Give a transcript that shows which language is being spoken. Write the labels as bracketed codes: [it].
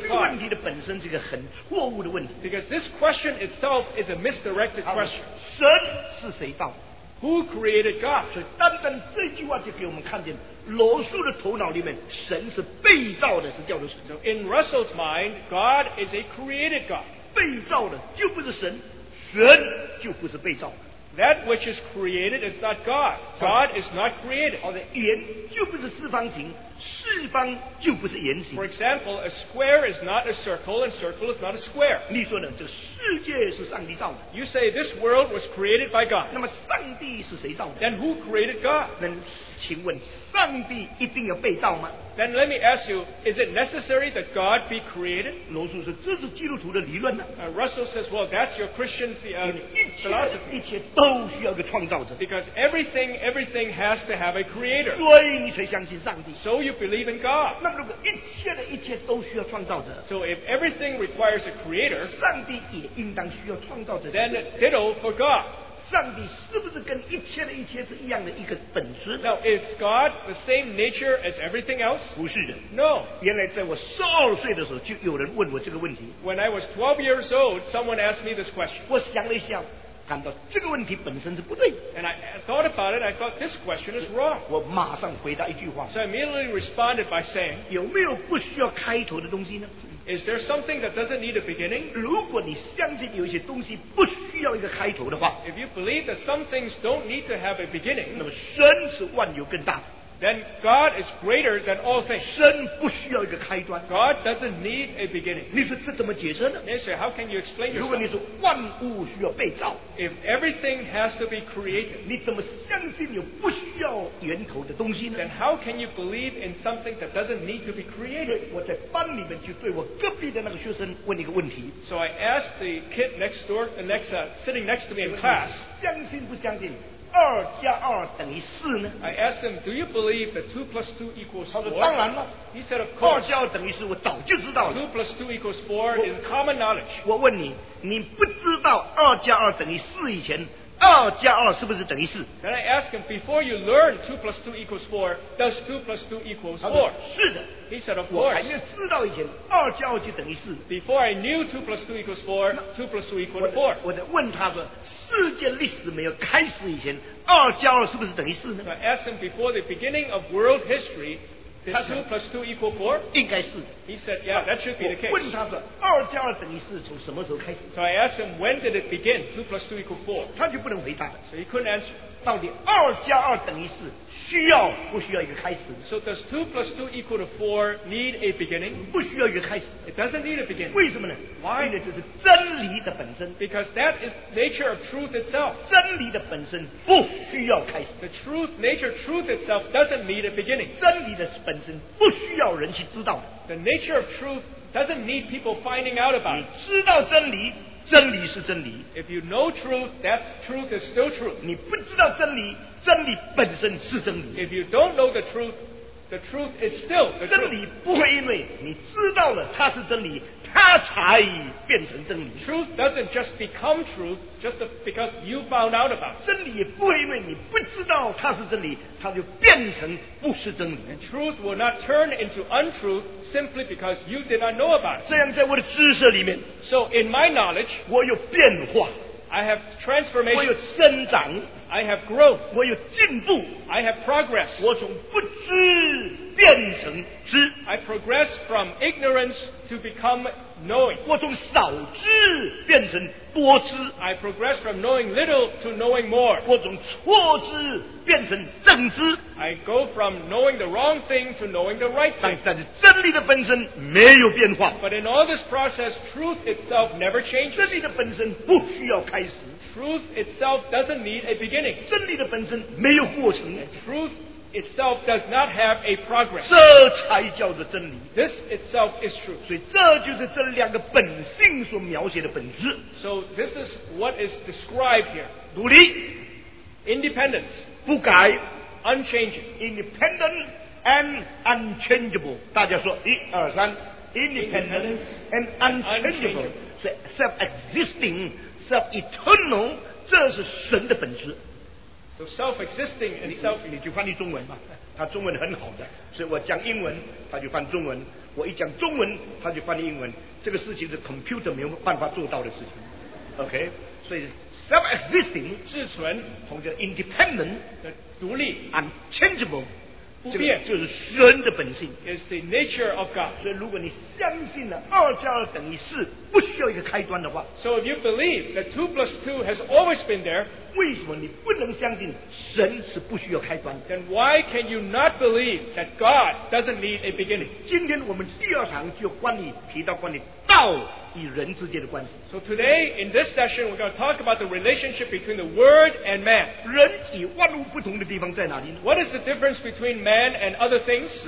[zh] 这个问题的本身是一个很错误的问题。 [en] Because this question itself is a misdirected question. [zh] 神是谁造的 [en] ？Who created God? [zh] 所以单单这句话就给我们看见。罗素的头脑里面，神是被造的，是叫做神。 [en] So in Russell's mind, God is a created God. [zh] 被造的就不是神，神就不是被造的。 [en] That which is created is not God. God is not created. [zh] 好的，圆就不是四方形，四方就不是圆形。 [en] For example, a square is not a circle, and circle is not a square. [zh] 你说呢？这世界是上帝造的。 [en] You say this world was created by God. [zh] 那么上帝是谁造的 [en] ？Then who created God? [zh] 那请问，上帝一定要被造吗 [en] ？Then let me ask you, is it necessary that God be created? [zh] 罗素说，这是基督徒的理论呢。 [en] Russell says, well, that's your Christian philosophy. [zh] 一切都需要个创造者。 [en] Because everything has to have a creator. [zh] 所以你才相信上帝。 [en] So you believe in God. [zh] 那么如果一切的一切都需要创造者 [en] ，So if everything requires a creator, [zh] 上帝也应当需要创造者。 [en] Then ditto for God. [zh] 上帝是不是跟一切的一切是一样的一个本质？ [en] Now is God the same nature as everything else? [zh] 不是的。 [en] No. [zh] 原来在我12岁的时候就有人问我这个问题。 [en] When I was 12 years old, someone asked me this question. [zh] 我想了一下，感到这个问题本身是不对。 [en] And I thought about it, I thought this question is wrong. [zh] 我马上回答一句话。 [en] So I immediately responded by saying, [zh] 有没有不需要开头的东西呢？ [en] Is there something that doesn't need a beginning? [zh] 如果你相信有一些东西不需要一个开头的话， [en] If you believe that some things don't need to have a beginning, [zh] 那么神是万有更大的。 [en] Then God is greater than all things. [zh] 神不需要一个开端。 [en] God doesn't need a beginning. [zh] 你说这怎么解释呢？ [en] Yes, sir, how can you explain yourself? [zh] 如果你说万物需要被造， [en] If everything has to be created, [zh] 你怎么相信有不需要源头的东西呢？ [en] Then how can you believe in something that doesn't need to be created? [zh] 我在班里面就对我隔壁的那个学生问一个问题。 [en] So I asked the kid next door, the next, sitting next to me in class, [zh] 相信不相信二加二等于四呢？ [en] I asked him, do you believe that 2 plus 2 equals 4? [zh] 他说当然了。 [en] He said, of course. [zh] 二加二等于四，我早就知道了。 [en] 2 plus 2 equals 4 is common knowledge. [zh] 我问你，你不知道二加二等于四以前，二加二是不是等于四？ [en] Then I asked him, before you learn 2 plus 2 equals 4, does 2 plus 2 equals 4? [zh] 是的。 [en] He said, of course. [zh] 我还没知道以前，二加二就等于四。 [en] Before I knew 2 plus 2 equals 4, 2 plus 2 equals 4. [zh] 我在问他说，世界历史没有开始以前，二加二是不是等于四呢？ [en] So I asked him, before the beginning of world history, is 2 plus 2 equal 4? [zh] 应该是。 [en] He said, yeah, that should be the case. [zh] 我问他说，二加二等于四从什么时候开始？ [en] So I asked him, when did it begin? 2 plus 2 equal 4? [zh] 他就不能回答。 [en] So he couldn't answer. [zh] 到底二加二等于四需要不需要一个开始？ [en] So does 2 plus 2 equal to 4 need a beginning? [zh] 不需要一个开始。 [en] It doesn't need a beginning. [zh] 为什么呢？ [en] Why? [zh] 因为这是真理的本身。 [en] Because that is nature of truth itself. [zh] 真理的本身不需要开始。 [en] The truth, nature, truth itself doesn't need a beginning. [zh] 真理的本身不需要人去知道。 [en] The nature of truth doesn't need people finding out about it. [zh] 你知道真理，真理是真理。 [en] If you know truth, that truth is still truth. [zh] 你不知道真理，真理本身是真理。 [en] If you don't know the truth is still the truth. [zh] 真理不会因为你知道了它是真理，它才变成真理。 [en] Truth doesn't just become truth just because you found out about it. [zh] 真理也不会因为你不知道它是真理，它就变成不是真理。 [en] And truth will not turn into untruth simply because you did not know about it. [zh] 这样在我的知识里面， [en] So in my knowledge, [zh] 我有变化， [en] I have transformation, [zh] 我有增长， [en] I have growth, [zh] 我有进步， [en] I have progress, [zh] 我从不知变成知， [en] I progress from ignorance to become knowing, [zh] 我从少知变成多知， [en] I progress from knowing little to knowing more, [zh] 我从错知变成正知， [en] I go from knowing the wrong thing to knowing the right thing. [zh] 但是真理的本身没有变化， [en] But in all this process, truth itself never changes. [zh] 真理的本身不需要开始， [en] Truth itself doesn't need a beginning. [zh] 真理的本身没有过程， [en] And truthitself does not have a progress. [zh] 这才叫做真理。 [en] This itself is true. [zh] 所以这就是这两个本性所描写的本质。 [en] So this is what is described here. [zh] 独立， [en] independence， [zh] 不改， [en] unchanging， independent and unchangeable。 [zh] 大家说一二三， [en] independence and unchangeable， [zh] 所以 [en] self-existing， self-eternal， [zh] 这是神的本质。 [en] So self-existing and self- [zh] 你就翻译中文吧，他中文很好的，所以我讲英文他就翻中文，我一讲中文他就翻译英文，这个事情是 computer 没有办法做到的事情。 [en] OK， [zh] 所以 [en] self-existing [zh] 自存，同时 [en] independent [zh] 的独立， [en] unchangeable [zh] 不变，这个，就是人的本性， [en] is the nature of God。 [zh] 所以如果你相信了二加二等于四不需要一个开端的话， [en] So if you believe that 2 plus 2 has always been there, [zh] 为什么你不能相信神是不需要开端？ [en] Then why can you not believe that God doesn't need a beginning? [zh] 今天我们第二堂就关于提到关于道与人之间的关系。 [en] So today in this session we're going to talk about the relationship between the word and man. [zh] 人与万物不同的地方在哪里呢？ [en] What is the difference between man and other things?